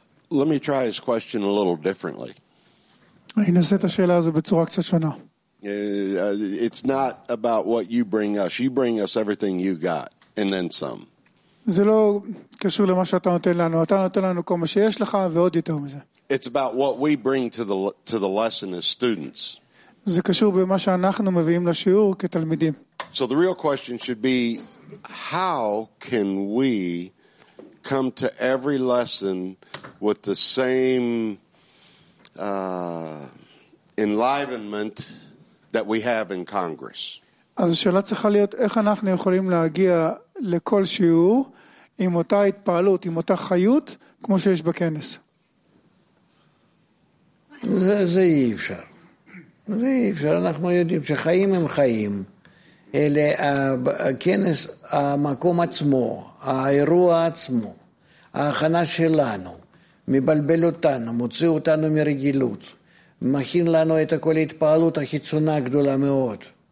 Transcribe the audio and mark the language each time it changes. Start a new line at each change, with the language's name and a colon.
English: Let me try his question a little differently. It's not about what you bring us. You bring us everything you got and then some.
Hebrew: זה לא קשור למה שאתה נותן לנו. אתה נותן לנו כל מה שיש לך ועוד יותר מזה.
English: It's about what we bring to the lesson as students.
Hebrew: זה קשור במה שאנחנו מביאים לשיעור כתלמידים.
English: So the real question should be, how can we come to every lesson with the same enlivenment that we have in Congress?
Hebrew: אז השאלה צריכה להיות איך אנחנו יכולים להגיע לכל שיעור עם אותה התפעלות, עם אותה חיות כמו שיש בכנס. זה אי אפשר. זה אי אפשר. אנחנו יודעים שחיים הם חיים. אלה הכנס, המקום עצמו, האירוע עצמו, ההכנה שלנו, מבלבל אותנו, מוציא אותנו מרגילות, מכין לנו את כל ההתפעלות החיצונה הגדולה מאוד.